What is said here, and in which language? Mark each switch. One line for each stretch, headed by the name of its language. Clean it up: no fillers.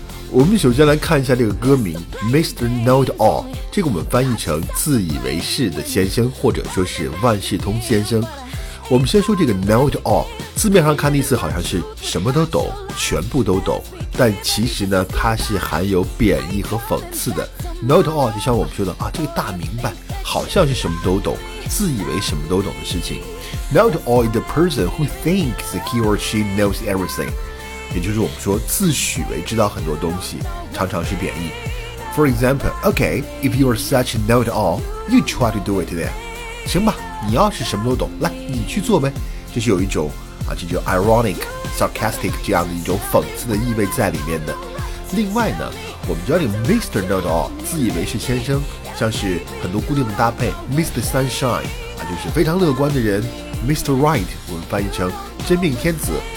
Chinese: 我们首先来看一下这个歌名 Mr. Know It All， 这个我们翻译成自以为是的先生，或者说是万事通先生。我们先说这个 Know It All， 字面上看的意思好像是什么都懂，全部都懂，但其实呢它是含有贬义和讽刺的。 Know It All 就像我们说的啊，这个大明白，好像是什么都懂，自以为什么都懂的事情。
English: Know It All is the person who thinks he or she knows everything，
Chinese: 也就是我们说自诩为知道很多东西，常常是贬义。
English: For example, okay, if you are such a know-it-all, you try to do it then.
Chinese: 行吧，你要是什么都懂，来，你去做呗。这是有一种啊，这就 ironic, sarcastic 这样的一种讽刺的意味在里面的。另外呢，我们知道这个 Mr. Know-it-all 自以为是先生，像是很多固定的搭配 Mr. Sunshine 啊，就是非常乐观的人， Mr. Right 我们翻译成真命天子。